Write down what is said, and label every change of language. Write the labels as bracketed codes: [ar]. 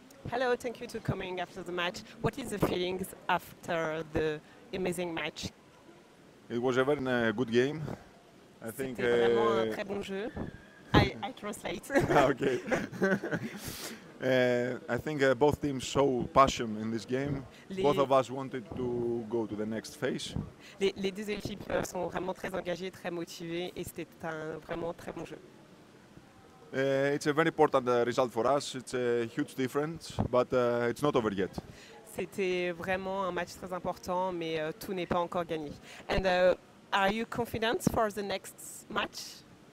[en] Hello, thank you for coming after the match. What is the feelings after the amazing match? It was a very good game. I think. [fr] C'était vraiment un très bon jeu. [en] I translate. Okay. I think both teams show passion in this game. Both of us wanted to go to the next phase. [fr] Les deux équipes sont vraiment très engagées, très motivées, et c'était un vraiment très bon jeu. [en] It's a very important result for us. It's a huge difference, but it's not over yet. [fr] C'était vraiment un match très important, mais tout n'est pas encore gagné. [en] And are you confident for the next match?